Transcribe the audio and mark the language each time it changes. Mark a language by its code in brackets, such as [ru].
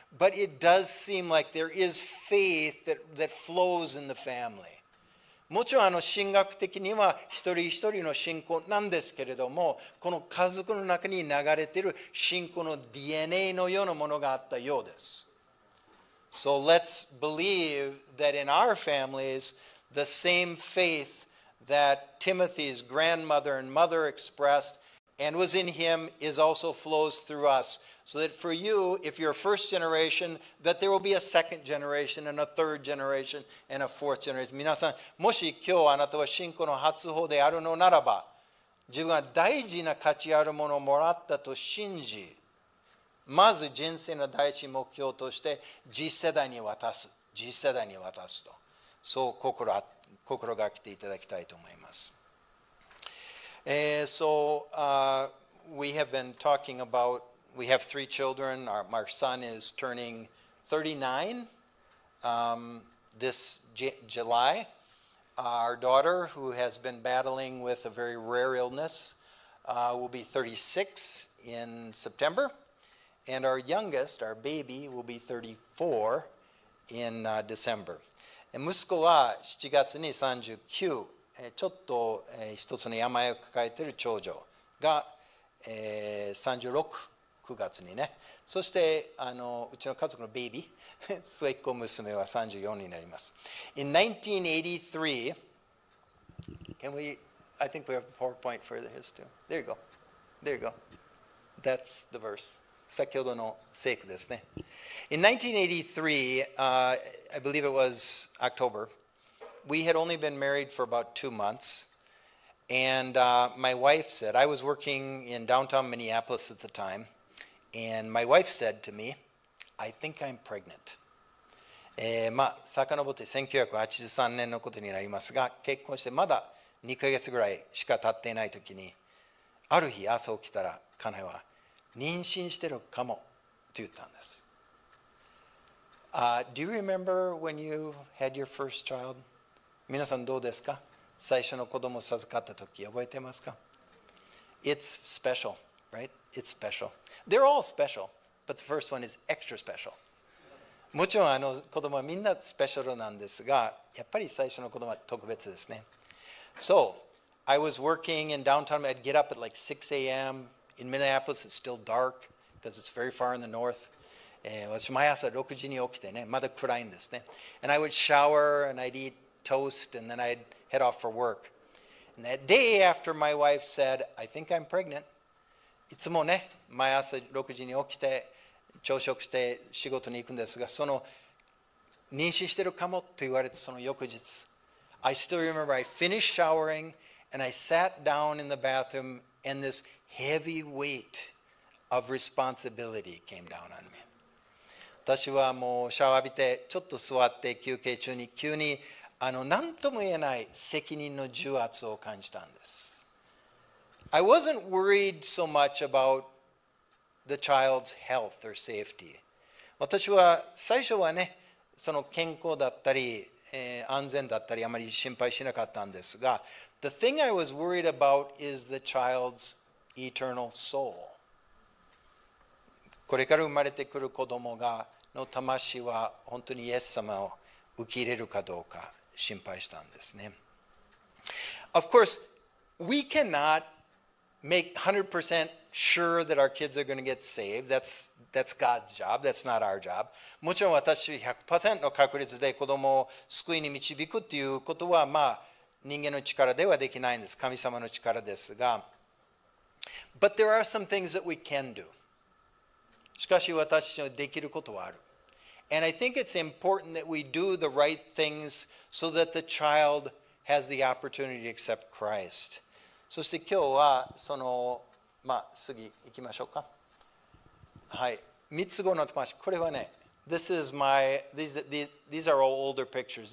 [en] But it does seem like there is faith that flows in the family. [ja] もちろん神学的には一人一人の信仰なんですけれども、この家族の中に流れている信仰の DNA のようなものがあったようです。 [en] So let's believe that in our families the same faith that Timothy's grandmother and mother expressed and was in him is also flows through us so that for you if you're first generation that there will be a second generation and a third generation and a fourth generation [ja] 皆さん、もし今日あなたは信仰の発砲であるのならば、自分は大事な価値あるものをもらったと信じ、まず人生の第一目標として次世代に渡すと、そう心がけていただきたいと思います。 [en] We have been talking about, we have three children. Our son is turning 39 this July. Our daughter, who has been battling with a very rare illness, will be 36 in September. And our youngest, our baby, will be 34 in December. [ja] And 息子は7月に39歳。ちょっと一つの病を抱えている長女が36、9月にね、そしてうちの家族のベイビー末っ子娘は34になります。 [en] In 1983 can we, I think we have a PowerPoint further here too. There you go. That's the verse. [ja] 先ほどの聖句ですね。 [en] In 1983 I believe it was OctoberWe had only been married for about 2 months. And my wife said, I was working in downtown Minneapolis at the time. And my wife said to me, I think I'm pregnant. [ja] さかのぼって1983年のことになりますが、結婚してまだ2ヶ月ぐらいしか経っていないときに、ある日朝起きたら、彼女は妊娠してるかもと言ったんです。 [en] Do you remember when you had your first child? [ja] 皆さんどうですか？最初の子供を授かった時覚えてますか？ [en] It's special, right? It's special. They're all special, but the first one is extra special. [ja] もちろんあの子供はみんなスペシャルなんですが、やっぱり最初の子供は特別ですね。 [en] So, I was working in downtown. I'd get up at like 6 a.m. In Minneapolis, it's still dark because it's very far in the north. [ja] 私毎朝6時に起きてね、まだ暗いんですね。 [en] And I would shower and I'd eat toast and then I'd head off for work. And that day after my wife said, I think I'm pregnant. [ja] いつもね、毎朝6時に起きて、朝食して仕事に行くんですが、その妊娠してるかもと言われて、その翌日。 [en] I still remember I finished showering and I sat down in the bathroom and this heavy weight of responsibility came down on me. [ja] 私はもうシャワー浴びてちょっと座って休憩中に急にあの何とも言えない責任の重圧を感じたんです。 [en] I wasn't worried so much about the child's health or safety. [ja] 私は最初はね、その健康だったり、安全だったりあまり心配しなかったんですが、 [en] The thing I was worried about is the child's eternal soul. [ja] これから生まれてくる子供がの魂は本当にイエス様を受け入れるかどうか心配したんですね。 [en] Of course, we cannot make 100% sure that our kids are going to get saved. That's God's job. That's not our job. [ja] もちろん私 100% の確率で子供を救いに導くということは、まあ、人間の力ではできないんです。神様の力ですが。 [en] But there are some things that we can do. [ja] しかし私はできることはある。 [en] And I think it's important that we do the right things so that the child has the opportunity to accept Christ. [ja] そして今日はその、まあ、次行きましょうか。はい、三つ子の魂、これはね、 [en] This is my, these are all older pictures.